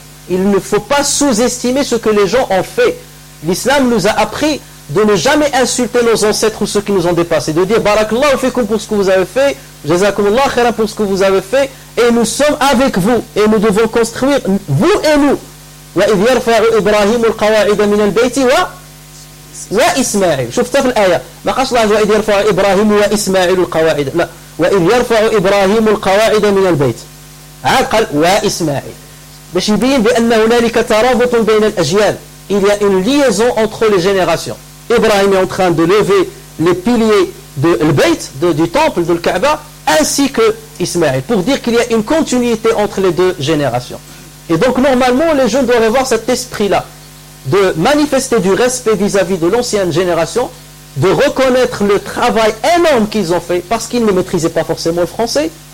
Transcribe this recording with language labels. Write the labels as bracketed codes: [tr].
[fr] Il ne faut pas sous-estimer ce que les gens ont fait. L'islam nous a appris de ne jamais insulter nos ancêtres ou ceux qui nous ont dépassés. De dire, [ar] barakallahu fikoum [fr] pour ce que vous avez fait. [ar] Jazakumullah khairan [fr] pour ce que vous avez fait. Et nous sommes avec vous. Et nous devons construire, vous et nous. [ar] Wa idh yarfa'u Ibrahim al-qawa'id min al-bayti wa... وإسماعيل شفت في الآية ما قص الله وإذ يرفع إبراهيم وإسماعيل القواعد لا وإذ يرفع إبراهيم القواعد من البيت عقل وإسماعيل باش يبين بأن هنالك ترابط بين الأجيال [fr] il y a une liaison entre les générations. Ibrahim est en train de lever les piliers de le bait du temple de la Kaaba ainsi que Ismaïl pour dire qu'il y a une continuité entre les deux générations. Et donc normalement les jeunes devraient voir cet esprit là de manifester du respect vis-à-vis de l'ancienne génération, de reconnaître le travail énorme qu'ils ont fait parce qu'ils ne maîtrisaient pas forcément le français.